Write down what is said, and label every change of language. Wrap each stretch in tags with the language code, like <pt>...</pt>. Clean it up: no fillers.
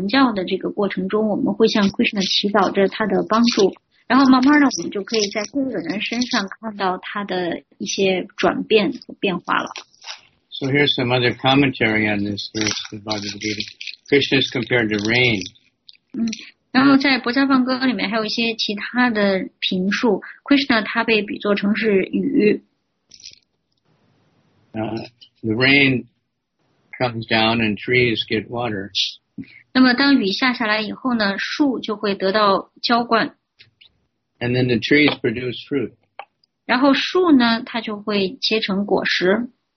<zh>特别是当我们在传教的这个过程中，我们会向 Krishna 祈祷着他的帮助，然后慢慢的我们就可以在这个人身上看到他的一些转变和变化了。So</zh> <en>here's some other commentary on this verse of Bhagavad Gita. Krishna is compared to rain.</en> <zh>然后在《博迦梵歌》里面还有一些其他的评述， Krishna 他被比作成是雨。</zh> <en>The rain comes down and trees get water.</en> <zh>那么当雨下下来以后呢，树就会得到浇灌。</zh> <en>And then the trees produce fruit.</en> <zh>然后树呢，它就会结成果实。</zh>